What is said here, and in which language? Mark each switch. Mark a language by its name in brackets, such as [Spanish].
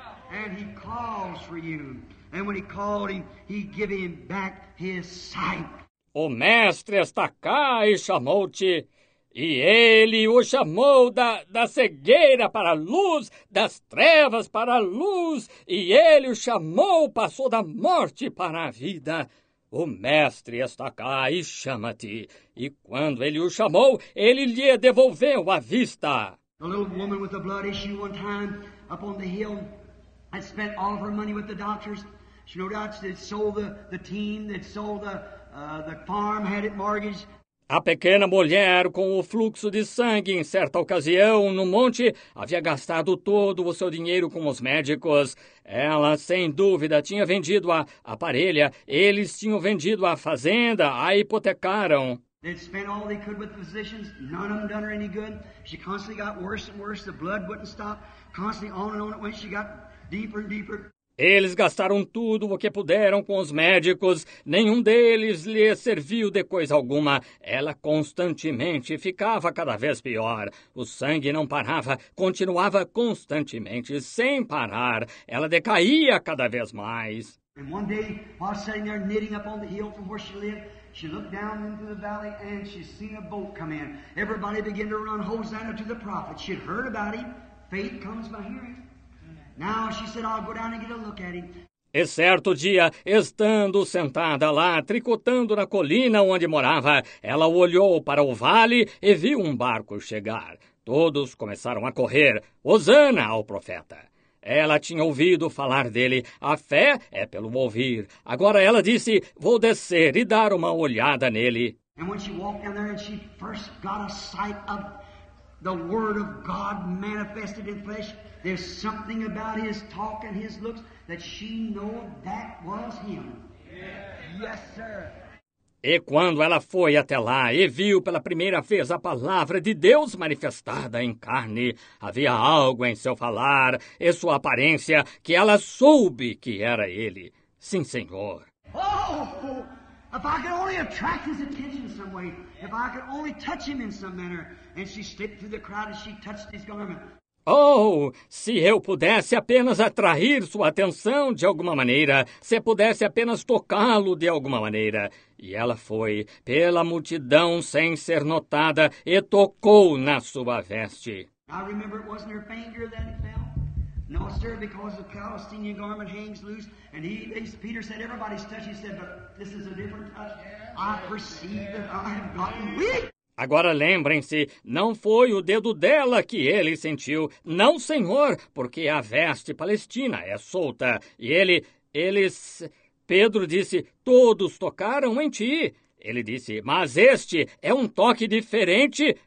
[English] And he calls for you. And when he called him, he gave him back his sight. [Portuguese] O mestre está cá e chamou-te. E ele o chamou da cegueira para a luz, das trevas para a luz. E ele o chamou, passou da morte para a vida. O mestre está cá e chama-te. E quando ele o chamou, ele lhe devolveu a vista. [English] A little woman with a blood issue one time up on the hill. I spent all of her money with the doctors. She no doubt had sold the team, had sold the farm, had it mortgaged. [Portuguese] A pequena mulher com o fluxo de sangue em certa ocasião no monte havia gastado todo o seu dinheiro com os médicos. Ela, sem dúvida, tinha vendido a aparelha. Eles tinham vendido a fazenda, a hipotecaram. [English] They'd spent all they could with the physicians. None of them done her any good. She constantly got worse and worse. The blood wouldn't stop. Constantly on and on it went. She got deeper and deeper. [Portuguese] Eles gastaram tudo o que puderam com os médicos. Nenhum deles lhe serviu de coisa alguma. Ela constantemente ficava cada vez pior. O sangue não parava, continuava constantemente, sem parar. Ela decaía cada vez mais. [English] And one day, while sitting there knitting up on the hill from where she lived, she looked down into the valley and she seen a boat come in. Everybody began to run Hosanna to the prophet. She'd heard about him. Faith comes by hearing. Now she said, I'll go down and get a look at him. [Portuguese] E certo dia, estando sentada lá, tricotando na colina onde morava, ela olhou para o vale e viu um barco chegar. Todos começaram a correr. Hosana ao profeta. Ela tinha ouvido falar dele. A fé é pelo ouvir. Agora ela disse, vou descer e dar uma olhada nele. [English] And when she walked down there and she first got a sight of the Word of God manifested in flesh. There's something about His talk and His looks that she knew that was Him. Yes, sir. [Portuguese] E quando ela foi até lá e viu pela primeira vez a palavra de Deus manifestada em carne, havia algo em seu falar e sua aparência que ela soube que era Ele. Sim, Senhor. [English] Oh, if I could only attract His attention in some way, if I could only touch Him in some manner, and she slipped through the crowd and she touched His garment. [Portuguese] Oh, se eu pudesse apenas atrair sua atenção de alguma maneira, se pudesse apenas tocá-lo de alguma maneira. E ela foi pela multidão sem ser notada e tocou na sua veste. [English] I remember it wasn't her finger that it fell. No, sir, because the Palestinian garment hangs loose. And Peter said, everybody's touched. He said, but this is a different touch. I perceive that I have gotten weak. [Portuguese] Agora lembrem-se, não foi o dedo dela que ele sentiu. Não, Senhor, porque a veste palestina é solta. E Pedro disse, todos tocaram em ti. Ele disse, mas este é um toque diferente.